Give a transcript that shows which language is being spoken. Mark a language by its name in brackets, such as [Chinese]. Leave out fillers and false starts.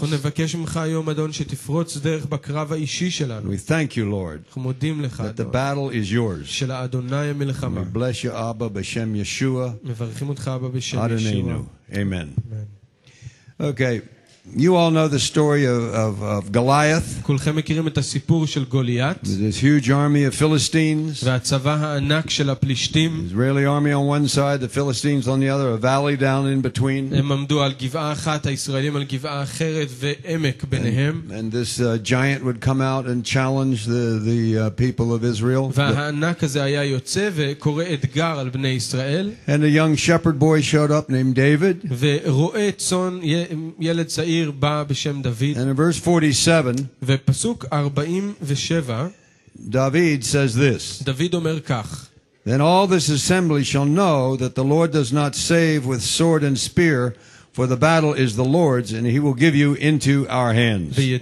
[English] We thank you, Lord, that the battle is yours. We bless you, Abba, b'shem Yeshua. Adonainu. Amen. Okay. You all know the story of Goliath. [Hebrew] כולכם מכירים את הסיפור של גוליית. [English] This huge army of Philistines. [Hebrew] והצבא הענק של הפלישתים. [English] Israeli army on one side, the Philistines on the other, a valley down in between. [Hebrew] הם עמדו על גבעה אחת, הישראלים על גבעה אחרת, ועמק ביניהם. [English] And this giant would come out and challenge the people of Israel. [Hebrew] והענק הזה היה יוצא וקורא אתגר על בני ישראל. [English] And a young shepherd boy showed up named David. [Hebrew] ורואה צאן ילד צעיר. [English] And in verse 47, David says this. Then all this assembly shall know that the Lord does not save with sword and spear, for the battle is the Lord's, and he will give you into our hands.